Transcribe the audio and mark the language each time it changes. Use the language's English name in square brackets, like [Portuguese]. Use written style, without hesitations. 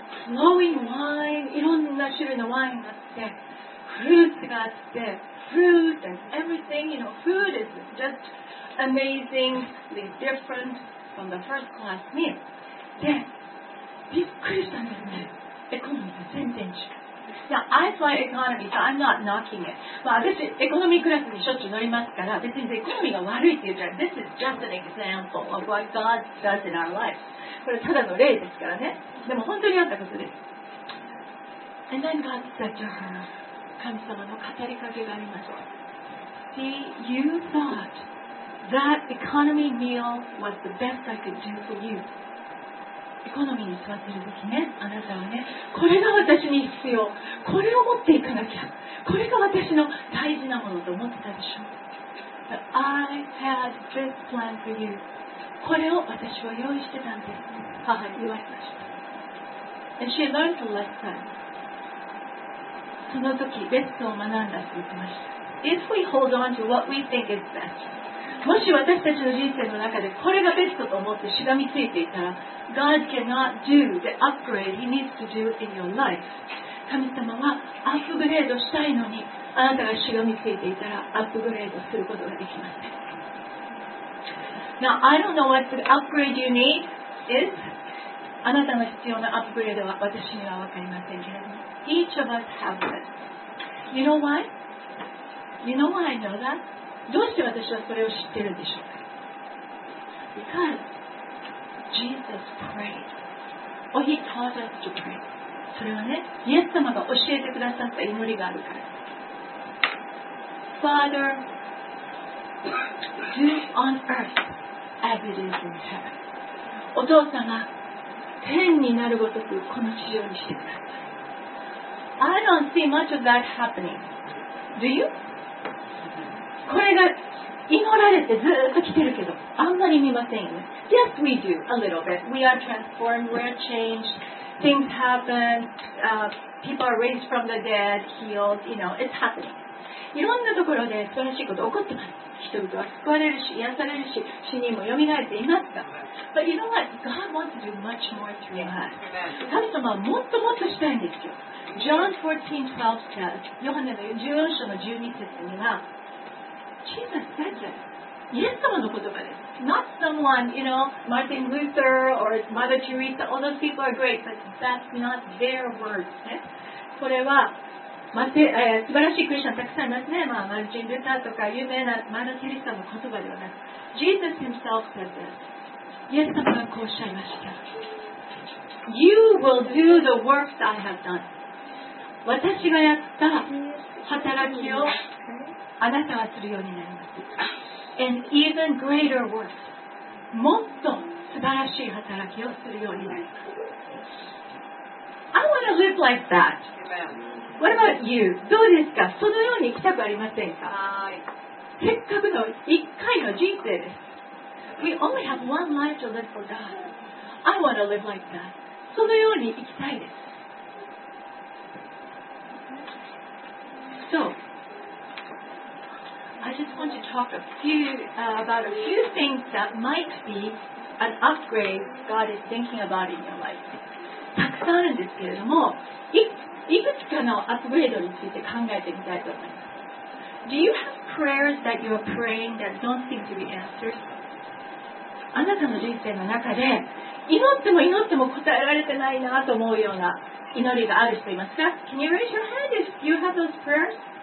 [Japanese] フローイングワイン、いろんな種類のワインがあって、フルーツがあって、フルーツ [English] and everything, you know, food is just amazingly different from the first class meal. [Japanese] で、びっくりしたんですね。エコノミーと全然違う。 [English] Now, I fly economy, so I'm not knocking it. [Japanese] Well, 私、エコノミークラスにしょっちゅう乗りますから、別にエコノミーが悪いって言うじゃない。 [English] This is just an example of what God does in our life. [Japanese] これただの例ですからね。でも本当にあったことです。 [English] And then God said to her, [Japanese] 神様の語りかけがありました。 [English] See, you thought that economy meal was the best I could do for you. [Japanese] エコノミーに座ってる時ね、あなたはね、これが私に必要、これを持っていかなきゃ、これが私の大事なものと思ってたでしょ。 [English] But I had this plan for you. [Japanese] これを私は用意してたんです。母に言われました。 [English] And she learned a lesson. [Japanese] その時、レッスンを学んだと言ってました。 [English] If we hold on to what we think is best. [Japanese] もし私たちの人生の中でこれがベストと思ってしがみついていたら [English] God cannot do the upgrade he needs to do in your life. [Japanese] 神様はアップグレードしたいのにあなたがしがみついていたらアップグレードすることができません。 [English] Now I don't know what the upgrade you need is. [Japanese] あなたの必要なアップグレードは私にはわかりませんけれども [English] Each of us have it. You know why I know that? [Japanese] どうして私はそれを知ってるんでしょうか [English] Because Jesus prayed. Oh, he taught us to pray. [Japanese] それはね、イエス様が教えてくださった祈りがあるから。 [English] Father, do on earth as it is in heaven. [Japanese] お父様、天になるごとくこの地上にしてください [English] 。 I don't see much of that happening. Do you? [Japanese] これが祈られてずっと来てるけど、あんまり見ませんよね。 [English] Yes, we do, a little bit. We are transformed, we are changed, things happen,、people are raised from the dead, healed, you know, it's happening. [Japanese] いろんなところで素晴らしいこと起こってます。人々は救われるし、癒されるし、死人も蘇っていますか。 [English] But you know what? God wants to do much more through us. [Japanese] 神様はもっともっとしたいんですよ。 [English] John 14:12 says, [Japanese] ヨハネの14章の12節には、 [English] Jesus said this. [Japanese] イエス様の言葉です。 [English] Not someone, you know, Martin Luther or Mother Teresa, all those people are great, but that's not their words.、 [Japanese] ね、これは、素晴らしいクリスチャンたくさんいますね。まあ、マルチン・ルターとか有名なマダ・テリサの言葉ではなく。 [English] Jesus himself said this. [Japanese] イエス様がこうおっしゃいました。 [English] You will do the works I have done. [Japanese] 私がやった働きをあなたはするようになります。 [English] And even greater work. [Japanese] もっと素晴らしい働きをするようになります。 [English] I want to live like that. What about you? [Japanese] どうですか? そのように生きたくありませんか?せっかくの一回の人生です。 [English] We only have one life to live for God. I want to live like that. [Japanese] そのように生きたいです。 [English] So,I just want to talk about a few things that might be an upgrade God is thinking about in your life. [Japanese] たくさんあるんですけれども、いくつかのアップグレードについて考えてみたいと思います。 [English] Do you have prayers that you are praying that don't seem to be answered? [Japanese] あなたの人生の中で、祈っても祈っても答えられてないなと思うような祈りがある人いますか? [English] Can you raise your hand if you have those prayers?